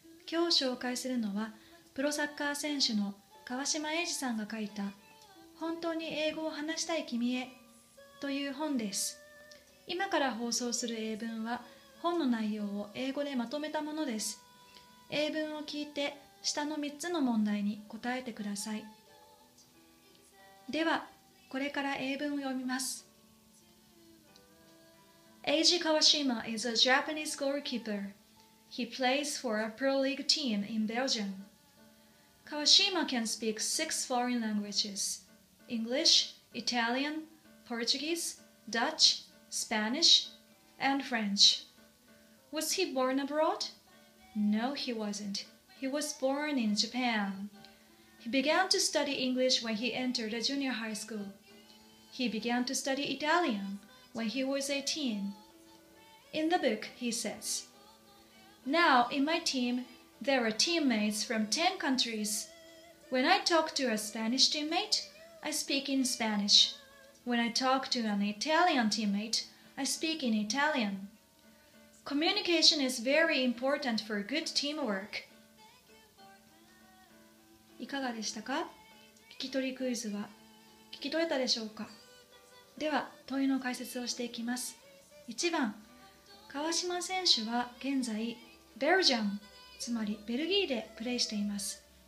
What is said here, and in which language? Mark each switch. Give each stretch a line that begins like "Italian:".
Japanese: 今日紹介するのはプロサッカー選手の川島英二さんが書いた本当に英語を話したい君へという本です。今から放送する英文は本の内容を英語でまとめたものです。英文を聞いて下の3つの問題に答えてください。ではこれから英文を読みます。
English: Eiji Kawashima is a Japanese goalkeeper. He plays for a pro league team in Belgium. Kawashima can speak 6 foreign languages: English, Italian, Portuguese, Dutch, Spanish, and French. Was he born abroad? No, he wasn't. He was born in Japan. He began to study English when he entered a junior high school. He began to study Italian when he was 18. In the book, he says, Now, in my team, there are teammates from 10 countries. When I talk to a Spanish teammate, I speak in Spanish. When I talk to an Italian teammate, I speak in Italian. Communication is very important for good teamwork.
Japanese: いかがでしたか？聞き取りクイズは聞き取れたでしょうか？では問いの解説をしていきます。 1番、川島選手は現在ベルジャム、つまりベルギーでプレイしています。